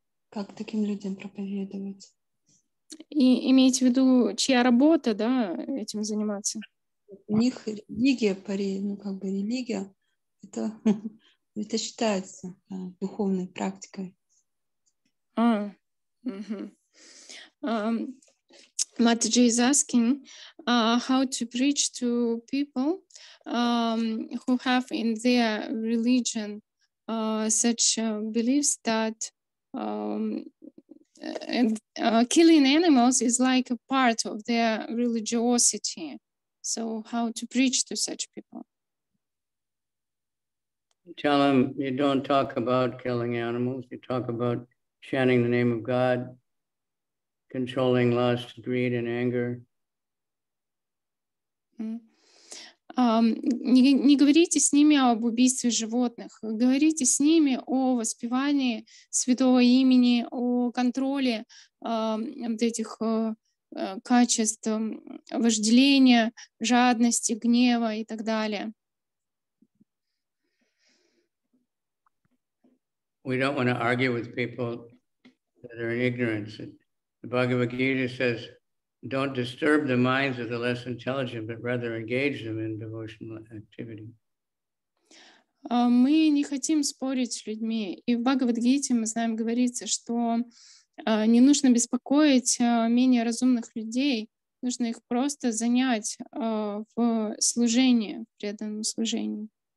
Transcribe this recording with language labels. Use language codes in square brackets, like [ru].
[ru] Как таким людям проповедовать? И имеете в виду, чья работа, да, этим заниматься? У них религия, религия, это считается духовной практикой. [en] Mataji is asking how to preach to people who have in their religion such beliefs that killing animals is like a part of their religiosity. So how to preach to such people? Tell them you don't talk about killing animals. You talk about chanting the name of God, controlling lust, greed, and anger. [ru] Не говорите с ними об убийстве животных. Говорите с ними о воспевании святого имени, о контроле вот этих качеств вожделения, жадности, гнева и так далее. [en] We don't want to argue with people that are in ignorance. The Bhagavad Gita says, don't disturb the minds of the less intelligent, but rather engage them in devotional activity. [ru] Мы не хотим спорить с людьми. И в Бхагавад-гите мы знаем, говорится, что не нужно беспокоить менее разумных людей, нужно их просто занять в служении, в преданном служении.